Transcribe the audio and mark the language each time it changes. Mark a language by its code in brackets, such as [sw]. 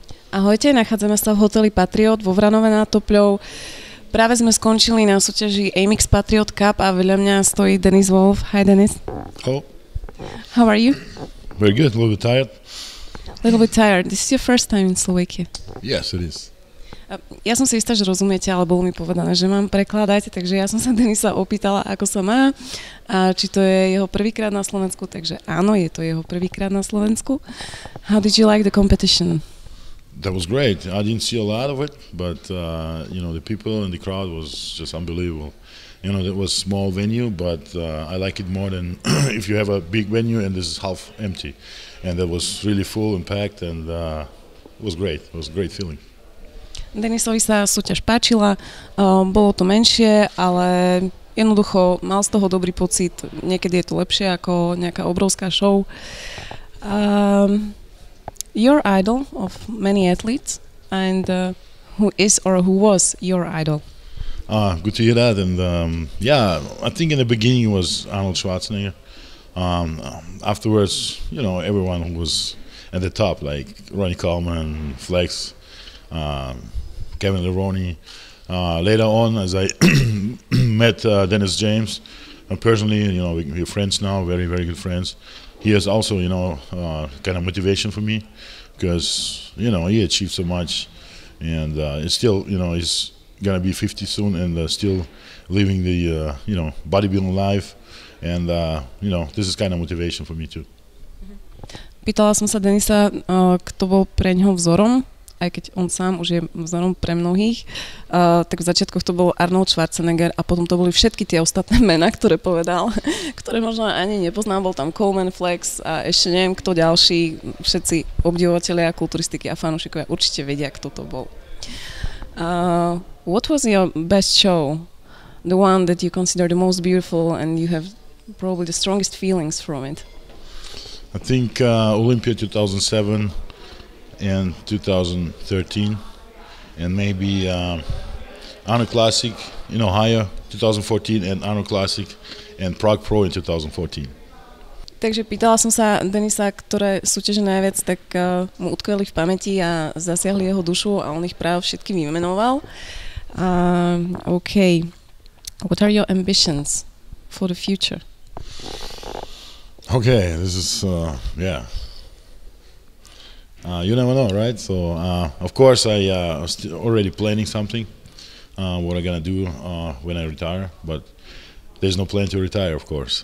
[sk] Ahojte, nachádzame sa v hoteli Patriot vo Vranove nad Topľou. Práve sme skončili na súťaži Amex Patriot Cup a vedľa mňa stojí Dennis Wolf. [en] Hi Dennis. Hello. How are you? Very good, a little bit tired. A little bit tired. This is your first time in Slovakia. Yes, it is. [sk] Ja som si istá, že rozumiete, ale bolo mi povedané, že mám prekladať, takže ja som sa Denisa opýtala, ako sa má a či to je jeho prvýkrát na Slovensku, takže áno, je to jeho prvýkrát na Slovensku. [en] How did you like the competition? That was great. I didn't see a lot of it, but you know, the people and the crowd was just unbelievable. You know, that was small venue, but I like it more than if you have a big venue and this is half empty. And that was really full and packed and it was great. It was a great feeling. [sk] Denisovi sa súťaž páčila, bolo to menšie, ale jednoducho mal z toho dobrý pocit. Niekedy je to lepšie ako nejaká obrovská show. [en] Your idol of many athletes, and who is or who was your idol? Good to hear that. And yeah, I think in the beginning it was Arnold Schwarzenegger. Afterwards, you know, everyone who was at the top, like Ronnie Coleman, Flex, Kevin Leroney. Later on, as I met Dennis James, personally, you know, we're friends now, very, very good friends. He is also, you know, kind of motivation for me because, you know, he achieved so much and it's still, you know, he's going to be 50 soon and still living the, you know, bodybuilding life. And, you know, this is kind of motivation for me too. [sk] Pýtala som sa Denisa, kto bol pre ňoho vzorom, aj keď on sám už je vzorom pre mnohých, tak v začiatkoch to bol Arnold Schwarzenegger a potom to boli všetky tie ostatné mená, ktoré povedal, ktoré možno ani nepoznám, bol tam Coleman, Flex a ešte neviem, kto ďalší, všetci obdivovatelia kulturistiky a fanúšikovia určite vedia, kto to bol. [en] What was your best show? The one that you consider the most beautiful and you have probably the strongest feelings from it? I think Olympia 2007 and 2013 and maybe Arnold Classic in Ohio 2014 and Arnold Classic and Prague Pro in 2014. [sk] Takže pýtala som sa Denisa, ktoré súťaže najviac tak mu utkveli v pamäti a zasiahli jeho dušu a on ich práve všetky vymenoval. [en] Okay. What are your ambitions for the future? Okay, this is you never know, right? So, of course, I already planning something, what I'm gonna do when I retire, but there's no plan to retire, of course.